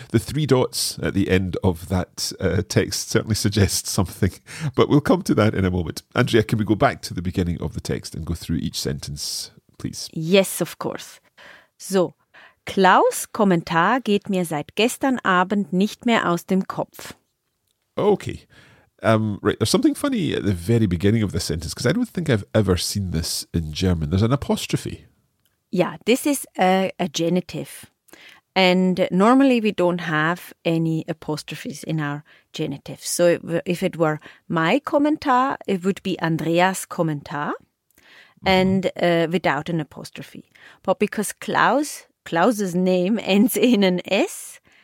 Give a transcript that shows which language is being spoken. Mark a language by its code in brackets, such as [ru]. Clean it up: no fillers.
[en] The three dots at the end of that text certainly suggest something, but we'll come to that in a moment. Andrea, can we go back to the beginning of the text and go through each sentence, please? Yes, of course. [de] So, Klaus' Kommentar geht mir seit gestern Abend nicht mehr aus dem Kopf. [en] Okay. Right, there's something funny at the very beginning of the sentence, because I don't think I've ever seen this in German. There's an apostrophe. Yeah, this is a genitive. And normally we don't have any apostrophes in our genitive. So if it were my Kommentar, it would be Andreas Kommentar and without an apostrophe. But because Klaus's name ends in an S,